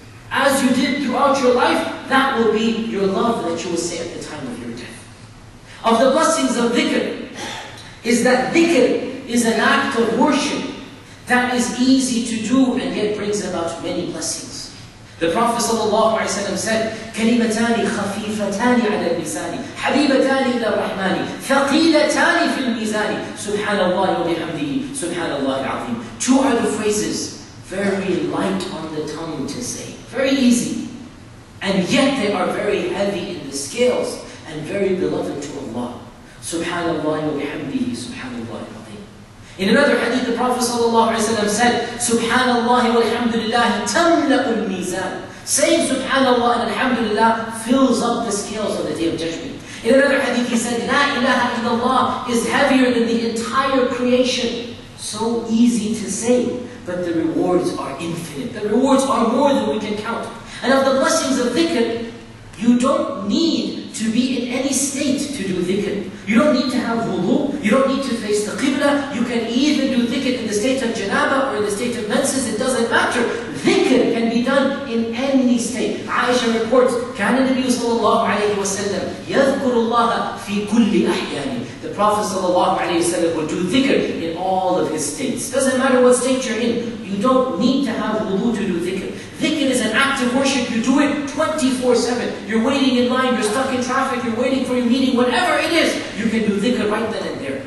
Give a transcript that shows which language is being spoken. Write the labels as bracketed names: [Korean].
[English] As you did throughout your life, that will be your love that you will say at the time of your death. Of the blessings of dhikr, is that dhikr is an act of worship that is easy to do and yet brings about many blessings. The Prophet ﷺ said, [Arabic] كَلِمَتَانِ خَفِيفَتَانِ عَلَى الْمِزَانِ حَبِيبَتَانِ إِلَى الرَّحْمَانِ ثَقِيلَتَانِ فِي الْمِزَانِ سُبْحَانَ اللَّهِ وَبِحَمْدِهِ سُبْحَانَ اللَّهِ الْعَظِيمِ. [English] Two are the phrases very light on the tongue to say, very easy, and yet they are very heavy in the scales and very beloved to Allah. [Arabic] Subhanallah wa bihamdihi, subhanallah wa bihamdihi. [English] In another hadith, the Prophet sallallahu alaihi wasallam said, [Arabic] Subhanallah wa alhamdulillah tamla'u al-mizan. [English] Saying Subhanallah and Alhamdulillah fills up the scales on the Day of Judgment. In another hadith, he said, La ilaha illallah is heavier than the entire creation. So easy to say, but the rewards are infinite. The rewards are more than we can count. And of the blessings of dhikr, you don't need to be in any state to do dhikr. You don't need to have wudu, you don't need to face the qibla, you can even do dhikr in the state of janaba or in the state of menses, it doesn't matter. Dhikr can be done in any state. Aisha reports, [Arabic] كَانَ النَّبِيُّ صَلَى اللَّهُ عَلَيْهِ وَسَلَّمْ يَذْكُرُ اللَّهَ فِي كُلِّ أَحْيَانِ. [English] The Prophet would do dhikr in all of his states. Doesn't matter what state you're in, you don't need to have wudu to do dhikr. Dhikr is an act of worship, you do it 24-7. You're waiting in line, you're stuck in traffic, you're waiting for your meeting, whatever it is, you can do dhikr right then and there.